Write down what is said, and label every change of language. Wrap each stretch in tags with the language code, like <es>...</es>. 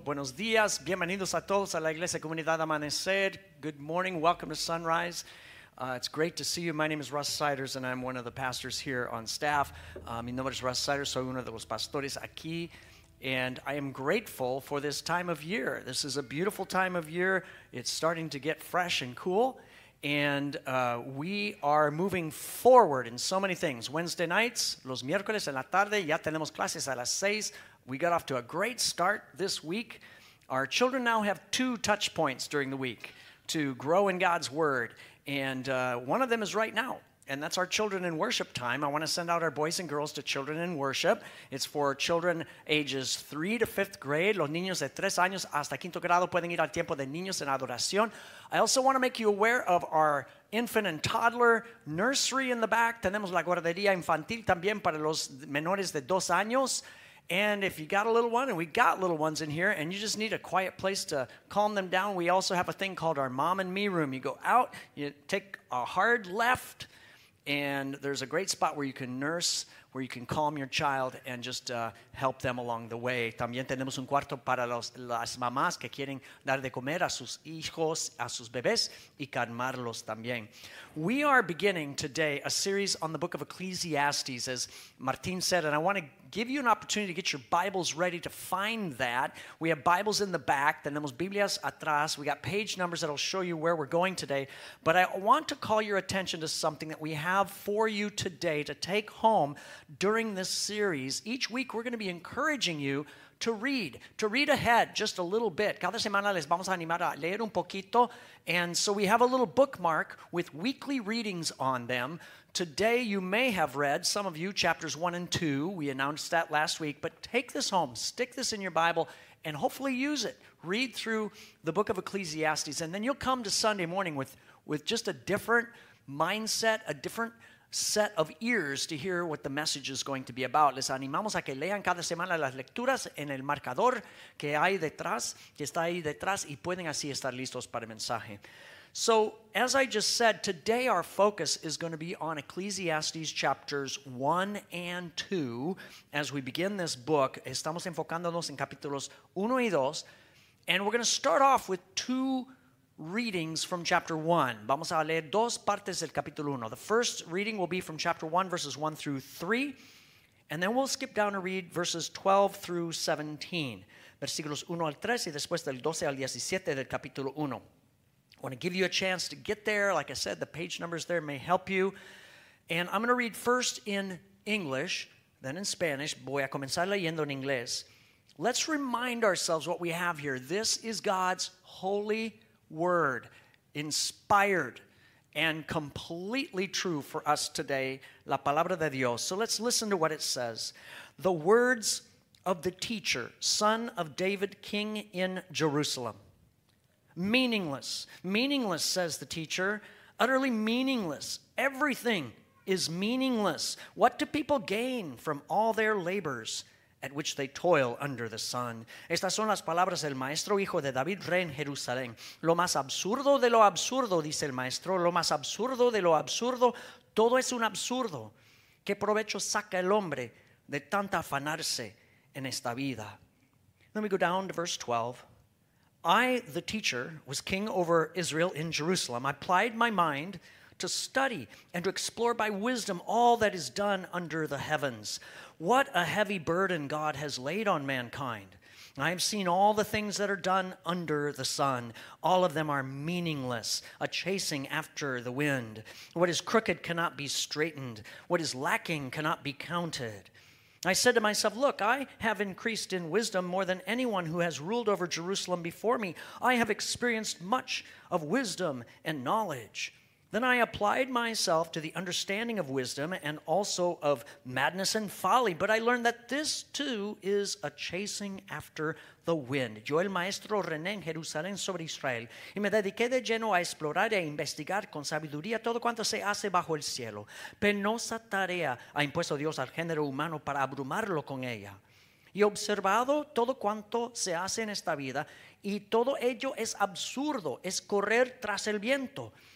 <es>Buenos días, bienvenidos a todos a la Iglesia Comunidad Amanecer.</es> <en>Good morning, welcome to Sunrise. It's great to see you. My name is Russ Siders, and I'm one of the pastors here on staff.</en> <es>Mi nombre es Russ Siders, soy uno de los pastores aquí.</es> <en>And I am grateful for this time of year. This is a beautiful time of year. It's starting to get fresh and cool. And we are moving forward in so many things. Wednesday nights,</en> <es>los miércoles en la tarde, ya tenemos clases a las seis.</es> <en>We got off to a great start this week. Our children now have two touch points during the week to grow in God's word. And one of them is right now, and that's our children in worship time. I want to send out our boys and girls to children in worship. It's for children ages 3 to 5th grade.</en> <es>Los niños de 3 años hasta quinto grado pueden ir al tiempo de niños en adoración.</es> <en>I also want to make you aware of our infant and toddler nursery in the back.</en> <es>Tenemos la guardería infantil también para los menores de 2 años.</es> <en>And if you got a little one, and we got little ones in here, and you just need a quiet place to calm them down, we also have a thing called our Mom and Me room. You go out, you take a hard left, and there's a great spot where you can nurse, where you can calm your child and just help them along the way.</en> <es>También tenemos un cuarto para las mamás que quieren dar de comer a sus hijos, a sus bebés, y calmarlos también.</es> <en>We are beginning today a series on the book of Ecclesiastes, as Martin said, and I want to give you an opportunity to get your Bibles ready to find that. We have Bibles in the back.</en> <es>Tenemos Biblias atrás.</es> <en>We got page numbers that'll show you where we're going today. But I want to call your attention to something that we have for you today to take home during this series. Each week we're going to be encouraging you to read ahead just a little bit.</en> <es>Cada semana les vamos a animar a leer un poquito.</es> <en>And so we have a little bookmark with weekly readings on them. Today you may have read, some of you, chapters 1 and 2. We announced that last week. But take this home. Stick this in your Bible and hopefully use it. Read through the book of Ecclesiastes. And then you'll come to Sunday morning with just a different mindset, a different set of ears to hear what the message is going to be about.</en> <es>Les animamos a que lean cada semana las lecturas en el marcador que hay detrás, que está ahí detrás, y pueden así estar listos para el mensaje.</es> <en>So, as I just said, today our focus is going to be on Ecclesiastes chapters 1 and 2. As we begin this book,</en> <es>estamos enfocándonos en capítulos 1 y 2,</es> <en>and we're going to start off with two readings from chapter 1.</en> <es>Vamos a leer dos partes del capítulo 1.</es> <en>The first reading will be from chapter 1, verses 1 through 3. And then we'll skip down and read verses 12 through 17.</en> <es>Versículos 1 al 3 y después del 12 al 17 del capítulo 1.</es> <en>I want to give you a chance to get there. Like I said, the page numbers there may help you. And I'm going to read first in English, then in Spanish.</en> <es>Voy a comenzar leyendo en inglés.</es> <en>Let's remind ourselves what we have here. This is God's holy word, inspired and completely true for us today,</en> <es>la palabra de Dios.</es> <en>So let's listen to what it says. The words of the teacher, son of David, king in Jerusalem. Meaningless, meaningless, says the teacher, utterly meaningless. Everything is meaningless. What do people gain from all their labors at which they toil under the sun?</en> <es>Estas son las palabras del maestro, hijo de David, rey en Jerusalén. Lo más absurdo de lo absurdo, dice el maestro, lo más absurdo de lo absurdo, todo es un absurdo. ¿Qué provecho saca el hombre de tanta afanarse en esta vida?</es> <en>Let me go down to verse 12. I, the teacher, was king over Israel in Jerusalem. I plied my mind to study and to explore by wisdom all that is done under the heavens. What a heavy burden God has laid on mankind. I have seen all the things that are done under the sun. All of them are meaningless, a chasing after the wind. What is crooked cannot be straightened. What is lacking cannot be counted. I said to myself, look, I have increased in wisdom more than anyone who has ruled over Jerusalem before me. I have experienced much of wisdom and knowledge. Then I applied myself to the understanding of wisdom and also of madness and folly. But I learned that this too is a chasing after the wind.</en> <es>Yo el maestro René en Jerusalén sobre Israel. Y me dediqué de lleno a explorar e investigar con sabiduría todo cuanto se hace bajo el cielo. Penosa tarea ha impuesto Dios al género humano para abrumarlo con ella. Y observado todo cuanto se hace en esta vida, y todo ello es absurdo, es correr tras el viento.</es>